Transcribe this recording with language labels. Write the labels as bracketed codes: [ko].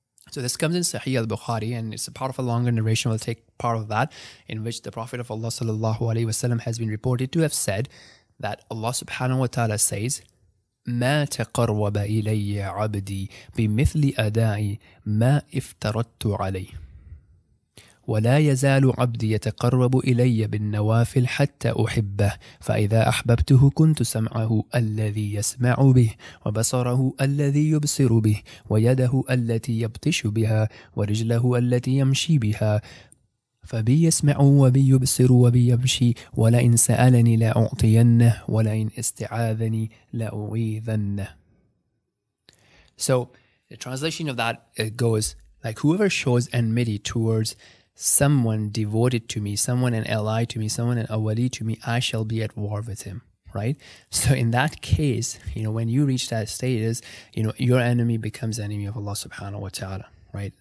[en] So this comes in Sahih al-Bukhari, and it's a part of a longer narration. We'll take part of that, in which the Prophet of Allah sallallahu alaihi wasallam has been reported to have said that Allah subhanahu wa ta'ala says, [ar] ما تقرب إلي عبدي بمثل أدائي ما افترضت عليه. ولا يزال عبدي يتقرب إلي بالنوافل حتى أحبه فإذا أحببته كنت سمعه الذي يسمع به وبصره الذي يبصر به ويده التي يبطش بها ورجله التي يمشي بها فبي يسمع وبي يبصر وبي يمشي ولئن سألني لا أعطينه ولئن استعاذني لا أعيذنه. [en] So the translation of that goes like, whoever shows enmity towards someone devoted to me, someone an ally to me, someone an awali to me, I shall be at war with him, right? So in that case, you know, when you reach that status, you know, your enemy becomes enemy of Allah subhanahu wa ta'ala, right?